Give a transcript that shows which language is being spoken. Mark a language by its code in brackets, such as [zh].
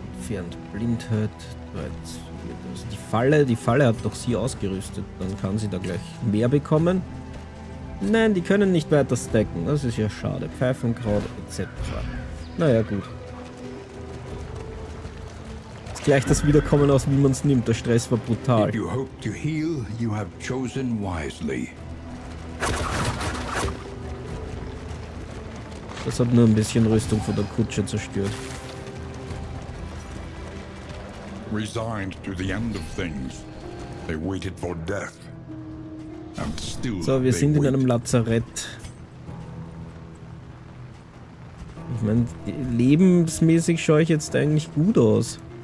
[de] Und Blindheit. Also die Falle hat doch sie ausgerüstet. Dann kann sie da gleich mehr bekommen. Nein, die können nicht weiter stacken. Das ist ja schade. Pfeifenkraut etc. Naja, gut. Ist gleich das Wiederkommen aus, wie man es nimmt. Der Stress war brutal. [en] You hope to heal, you have chosen wisely. [de] Das hat nur ein bisschen Rüstung von der Kutsche zerstört. [en] Resigned to the end of things, they waited for death, and still. [de] So, wir sind in einem Lazarett. Ich meine, lebensmäßig schaue ich jetzt eigentlich gut aus.